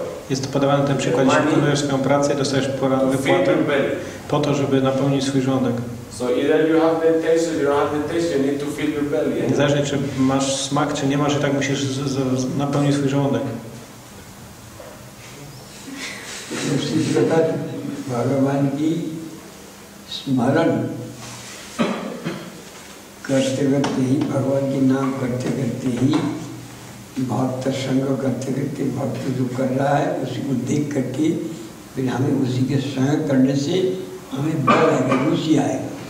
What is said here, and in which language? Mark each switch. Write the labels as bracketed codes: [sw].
[pl] Jest to podawany ten przykład, jeśli wykonujesz swoją pracę i dostajesz wypłatę, po to, żeby napełnić swój żołądek. [en] So either you have meditation, you don't have meditation, you need to fill your belly. [pl] Niezależnie, czy masz smak, czy nie masz, i tak musisz napełnić swój żołądek. Musisz zadać [hi] Bhagavan ki smaran. Karte karte hi Bhagavan ki naam karte karte hi bhakta sanga karte karte bhakta jo kar raha hai usi ko dekh karke फिर हमें उसी के संग करने से हमें बल आएगा, रुचि आएगा।